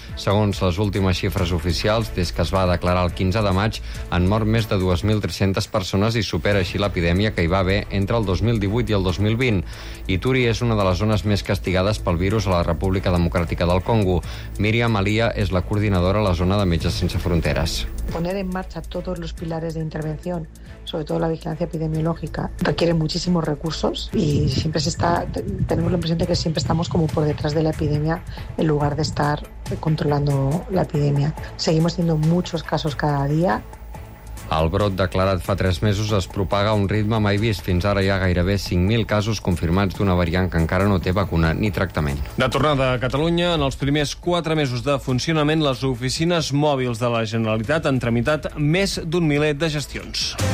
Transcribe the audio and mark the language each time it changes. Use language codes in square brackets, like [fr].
[ca] Segons les últimes xifres oficials, des que es va declarar el 15 de maig, han mort més de 2.300 persones i supera així l'epidèmia que hi va haver entre el 2018 i el 2020. Ituri és una de les zones més castigades pel virus a la República Democràtica del Congo. Míriam Alia és la coordinadora a la zona de Metges Sense Fronteres. [es] Poner en marcha todos los pilares de intervención, sobre todo la vigilancia epidemiológica, requiere muchísimos recursos y siempre se está, tenemos la impresión de que siempre estamos como por detrás de la epidemia en lugar de estar controlando la epidemia. Seguimos teniendo muchos casos cada día. [ca] El brot declarat fa 3 mesos es propaga a un ritme mai vist. Fins ara hi ha gairebé 5.000 casos confirmats d'una variant que encara no té vacuna ni tractament. De tornada a Catalunya, en els primers 4 mesos de funcionament, les oficines mòbils de la Generalitat han tramitat més d'un miler de gestions.